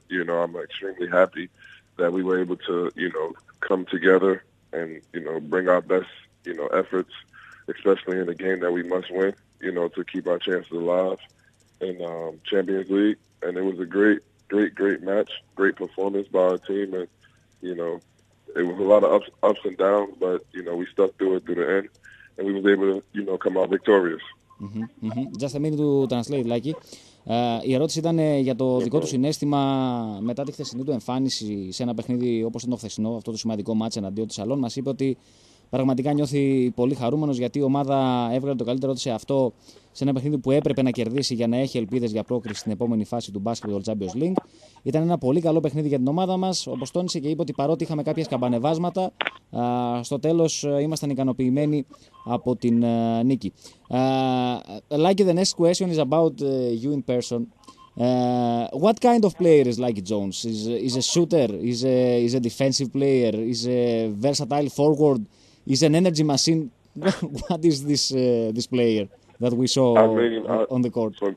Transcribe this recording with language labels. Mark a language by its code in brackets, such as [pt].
[en] You know, I'm extremely happy that we were able to, you know, come together and, you know, bring our best, you know, efforts, especially in a game that we must win, you know, to keep our chances alive in Champions League. And it was a great match, great performance by our team. And, you know, it was a lot of ups and downs, but, you know, we stuck through it through the end and we was able to, you know, come out victorious. Mm-hmm, mm-hmm. Just a minute to translate, Lucky. [el] Η ερώτηση ήταν για το δικό του συνέστημα μετά τη χθεσινή του εμφάνιση σε ένα παιχνίδι όπως ήταν το χθεσινό, αυτό το σημαντικό μάτσο εναντίον του Σαλόν. Μας είπε ότι πραγματικά νιώθει πολύ χαρούμενος γιατί η ομάδα έβγαλε το καλύτερό της σε αυτό, σε ένα παιχνίδι που έπρεπε να κερδίσει για να έχει ελπίδες για πρόκριση στην επόμενη φάση του Basketball Champions League. Ήταν ένα πολύ καλό παιχνίδι για την ομάδα μας, όπως τόνισε, και είπε ότι παρότι είχαμε κάποια σκαμπανεβάσματα, στο τέλος ήμασταν ικανοποιημένοι από την νίκη. [en] Like, the next question is about you in person. What kind of player is Lucky Jones? Is a shooter? Is a defensive player? Is a versatile forward? Is an energy machine? What is this this player that we saw on the court?